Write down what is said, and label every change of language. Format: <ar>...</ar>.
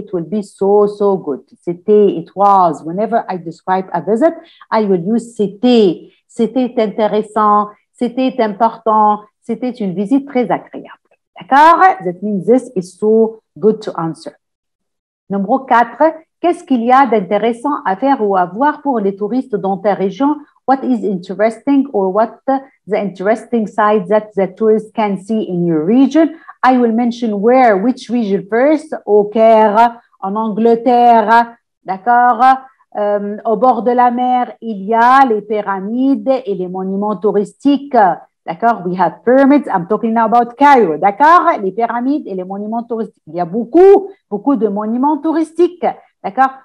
<en>It will be so, so good. C'était, it was. Whenever I describe a visit, I will use c'était.</en> <fr>C'était intéressant. C'était important. C'était une visite très agréable. D'accord?</fr> <en>That means this is so good to answer.</en> <fr>Numéro 4. Qu'est-ce qu'il y a d'intéressant à faire ou à voir pour les touristes dans ta région?</fr> <en>What is interesting or what the interesting side that the tourists can see in your region? I will mention where, which region first,</en> <fr>au Caire, en Angleterre, d'accord? Au bord de la mer, il y a les pyramides et les monuments touristiques, d'accord?</fr> <en>We have pyramids, I'm talking about Cairo, d'accord?</en> <fr>Les pyramides et les monuments touristiques, il y a beaucoup, beaucoup de monuments touristiques, d'accord?</fr>